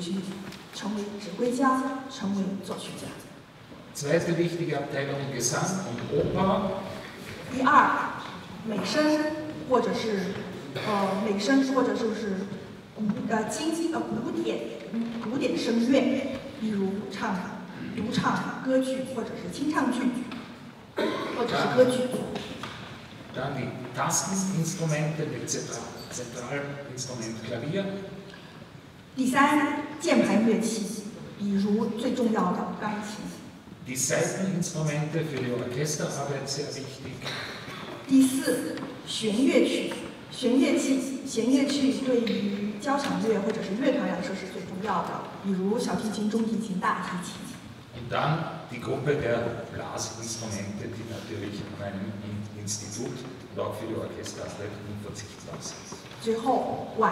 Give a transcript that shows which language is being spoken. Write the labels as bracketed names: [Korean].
[Chinese] 最后，行政总监将为大家介绍贝多芬音乐学院的所有的主要学科，一共呢有5个学科。第一，音乐指导、音乐创作，比如学习成为指挥家、成为作曲家。 [German] Zweite wichtige Abteilung Gesang und Oper. [Chinese] 第二，美声或者是古典声乐，比如唱歌曲或者是清唱剧，或者是歌剧。 [German] Dann die Tasteninstrumente mit Zentralinstrument Klavier. [Chinese] 第三，键盘乐器，比如最重要的钢琴。 [German] Die Seiteninstrumente für die Orchesterarbeit sehr wichtig. [Chinese] 第四，弦乐器，弦乐器对于交响乐或者是乐团来说是最重要的，比如小提琴、中提琴、大提琴。 [German] Und dann die Gruppe der Blasinstrumente, die natürlich in einem Institut und auch für die Orchesterarbeit unverzichtbar sind.